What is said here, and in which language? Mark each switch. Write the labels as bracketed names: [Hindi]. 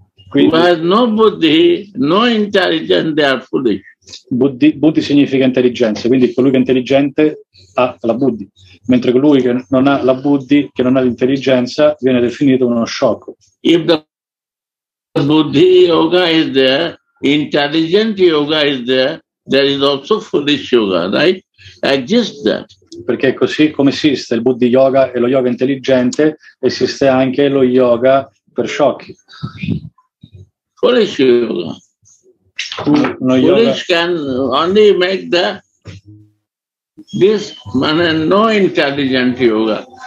[English] Quindi, who has no Buddhi, no intelligence, they are foolish. [Italian] Buddhi significa intelligenza, quindi colui che è intelligente ha la Buddhi, mentre colui che non ha la Buddhi, che non ha l'intelligenza, viene definito uno sciocco. [English] If the Buddhi yoga is there, intelligent yoga is there, there is also foolish yoga, right? Exist that. [Italian] Perché così come esiste il Buddhi yoga e lo yoga intelligente, esiste anche lo yoga per sciocchi. [English] Foolish yoga. No yoga. Foolish can only make the this man no intelligent yoga.